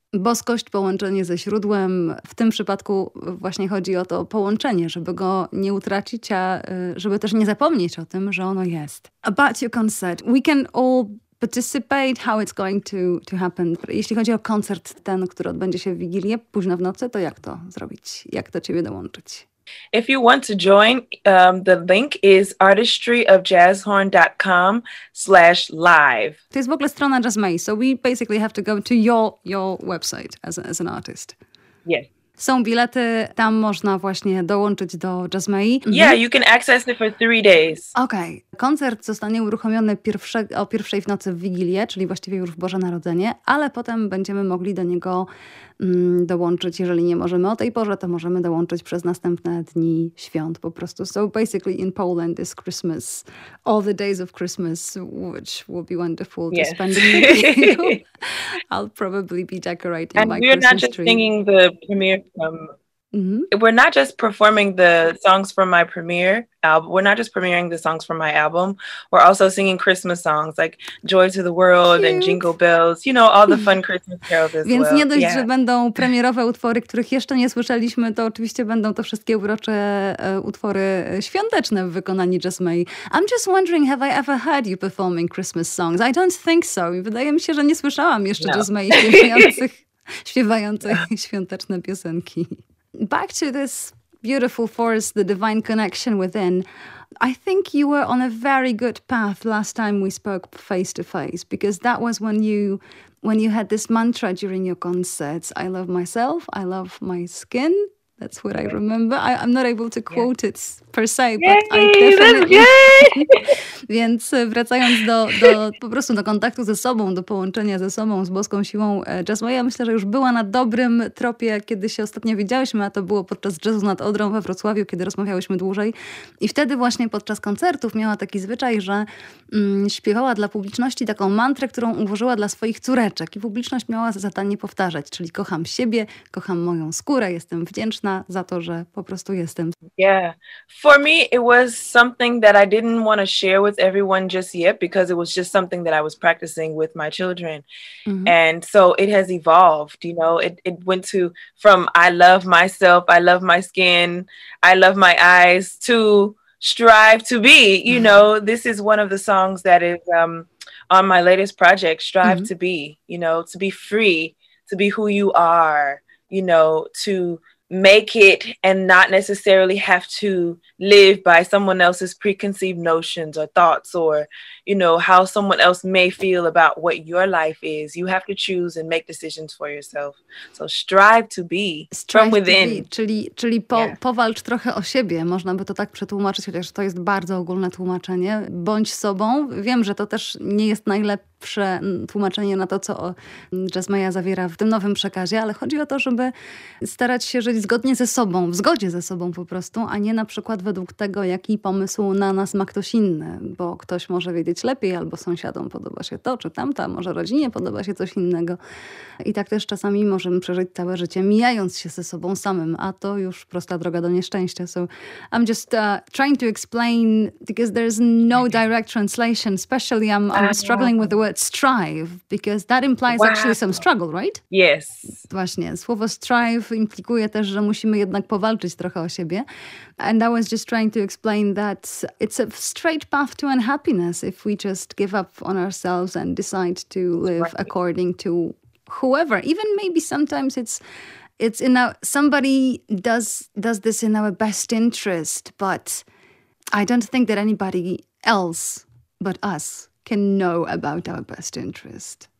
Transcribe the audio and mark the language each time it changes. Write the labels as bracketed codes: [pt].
[pl] Boskość, połączenie ze źródłem. W tym przypadku właśnie chodzi o to połączenie, żeby go nie utracić, a żeby też nie zapomnieć o tym, że ono jest. [en] About your concert, we can all participate, how it's going to happen. [pl] Jeśli chodzi o koncert ten, który odbędzie się w Wigilię, późno w nocy, to jak to zrobić? Jak do ciebie dołączyć? [en] If you want to join, the link is artistryofjazzhorn.com/live. [pl] To jest w ogóle strona Jasmei, [en] so we basically have to go to your website as an artist. Yes. [pl] Są bilety, tam można właśnie dołączyć do Jasmei. [en] Yeah, you can access it for 3 days. Okej. Okay. [pl] Koncert zostanie uruchomiony o pierwszej w nocy w Wigilię, czyli właściwie już w Boże Narodzenie, ale potem będziemy mogli do niego dołączyć, jeżeli nie możemy o tej porze, to możemy dołączyć przez następne dni świąt po prostu. [en] So basically in Poland is Christmas, all the days of Christmas, which will be wonderful to spend with you. I'll probably be decorating and my Christmas tree. And we're not just singing the premiere from... Mm-hmm. We're not just performing the songs from my premiere album. We're not just premiering the songs from my album. We're also singing Christmas songs like Joy to the World and Jingle Bells. You know, all the fun Christmas carols as [pl] Więc [en] well. [pl] Więc nie dość, że będą premierowe utwory, których jeszcze nie słyszeliśmy, to oczywiście będą to wszystkie urocze utwory świąteczne w wykonaniu Jasmei. [en] I'm just wondering, have I ever heard you performing Christmas songs? I don't think so. [pl] Wydaje mi się, że nie słyszałam jeszcze Jasmei śpiewających świąteczne piosenki. [en] Back to this beautiful force, the divine connection within. I think you were on a very good path last time we spoke face to face, because that was when you had this mantra during your concerts: I love myself, I love my skin. That's what I remember. I'm not able to quote it per se, but I definitely... [pl] Więc wracając do po prostu do kontaktu ze sobą, do połączenia ze sobą, z boską siłą jazzu, ja myślę, że już była na dobrym tropie, kiedy się ostatnio widziałyśmy, a to było podczas Jazzu nad Odrą we Wrocławiu, kiedy rozmawiałyśmy dłużej. I wtedy właśnie podczas koncertów miała taki zwyczaj, że śpiewała dla publiczności taką mantrę, którą ułożyła dla swoich córeczek. I publiczność miała za zadanie powtarzać, czyli kocham siebie, kocham moją skórę, jestem wdzięczna za to, że po prostu jestem. [en] Yeah, for me it was something that I didn't want to share with everyone just yet, because it was just something that I was practicing with my children. Mm-hmm. And so it has evolved, you know, it went to from I love myself, I love my skin, I love my eyes, to strive to be, you mm-hmm. know, this is one of the songs that is on my latest project, strive mm-hmm. to be, you know, to be free, to be who you are, you know, to make it and not necessarily have to live by someone else's preconceived notions or thoughts, or, you know, how someone else may feel about what your life is. You have to choose and make decisions for yourself. So strive to be from within. [pl] Czyli powalcz trochę o siebie, można by to tak przetłumaczyć, chociaż to jest bardzo ogólne tłumaczenie. Bądź sobą. Wiem, że to też nie jest najlepsze tłumaczenie na to, co Jazzmeja zawiera w tym nowym przekazie, ale chodzi o to, żeby starać się żyć zgodnie ze sobą, w zgodzie ze sobą po prostu, a nie na przykład według tego, jaki pomysł na nas ma ktoś inny, bo ktoś może wiedzieć lepiej, albo sąsiadom podoba się to, czy tamta, może rodzinie podoba się coś innego. I tak też czasami możemy przeżyć całe życie, mijając się ze sobą samym, a to już prosta droga do nieszczęścia. [en] So I'm just trying to explain, because there's no direct translation, especially I'm struggling with the word strive, because that implies actually some struggle, right? Yes. [pl] Właśnie. Słowo strive implikuje też, że musimy jednak powalczyć trochę o siebie. [en] And I was just trying to explain that it's a straight path to unhappiness if we just give up on ourselves and decide to live according to whoever. Even maybe sometimes it's in our, somebody does this in our best interest, but I don't think that anybody else but us can know about our best interest.